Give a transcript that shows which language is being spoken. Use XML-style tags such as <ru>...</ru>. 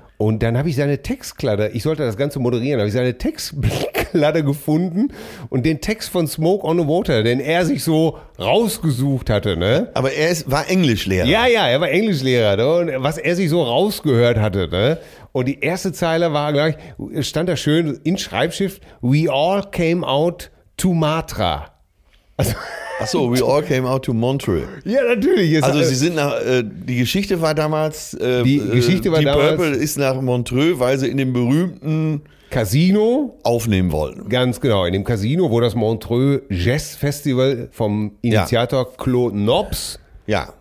<de>Und dann habe ich seine Textkladder, ich sollte das Ganze moderieren, habe ich seine Textkladder gefunden und den Text von Smoke on the Water, den er sich so rausgesucht hatte. Ne? Aber er ist, war Englischlehrer. Ja, ja, er war Englischlehrer. Ne? Und was er sich so rausgehört hatte. Ne? Und die erste Zeile war gleich, stand da schön in Schreibschrift,</de> <en>we all came out to Matra.</en> <de>Also, ach so,</de> <en>we all came out to Montreal.</en> <de>Ja, natürlich. Also sie sind nach, die Geschichte war damals, die Geschichte war die damals, Purple ist nach Montreal, weil sie in dem berühmten Casino aufnehmen wollten. Ganz genau, in dem Casino, wo das Montreal Jazz Festival vom Initiator, ja, Claude Nobs, ja,</de>